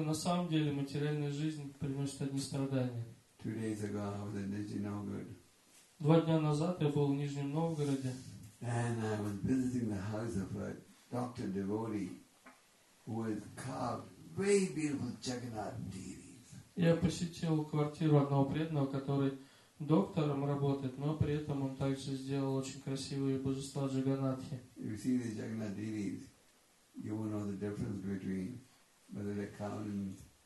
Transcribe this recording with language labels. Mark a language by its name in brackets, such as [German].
[Russian] на самом деле материальная жизнь приносит одни страдания. [English] 2 days ago I was in Nizhny Novgorod. [Russian] 2 дня назад я был в Нижнем Новгороде. [English] And I was visiting the house of a doctor devotee who had carved very beautiful Jagannath deities. [Russian] Я посетил квартиру одного преданного, который доктором работает, но при этом он также сделал очень красивые божества Джаганатхи. [English] If you see these Jagannath deities, you will know the difference between whether they're carved in